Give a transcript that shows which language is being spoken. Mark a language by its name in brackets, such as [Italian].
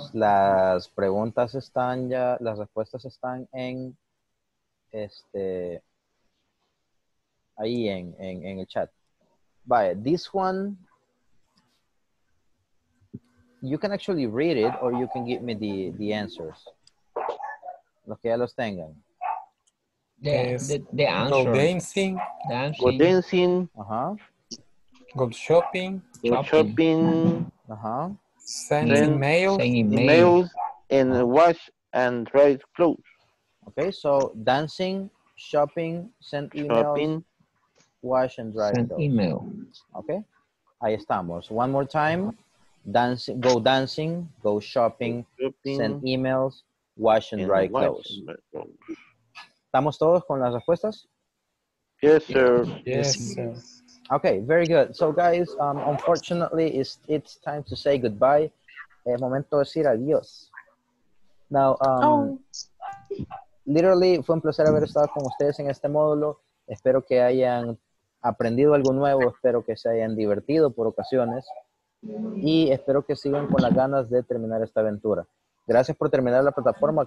[Spanish] Las preguntas están ya, las respuestas están en este ahí en el chat. [English] Vaya, this one, you can actually read it or you can give me the answers. [Spanish] Los que ya los tengan. [English] The answer. Go dancing. Uh-huh. Go shopping. Uh-huh. Send emails. And wash and dry clothes. Okay, so dancing, shopping, send emails. Shopping. Wash and dry send clothes. Email. Okay. [Spanish] Ahí estamos. [English] One more time. Go shopping. Send emails. Wash and dry clothes. [Spanish] ¿Estamos todos con las respuestas? [English] Yes, sir. Okay, very good. So, guys, unfortunately, it's time to say goodbye. [Spanish] El momento de decir adiós. [English] Now, literally, [Spanish] fue un placer haber estado con ustedes en este módulo. Espero que hayan aprendido algo nuevo. Espero que se hayan divertido por ocasiones. Y espero que sigan con las ganas de terminar esta aventura. Gracias por terminar la plataforma.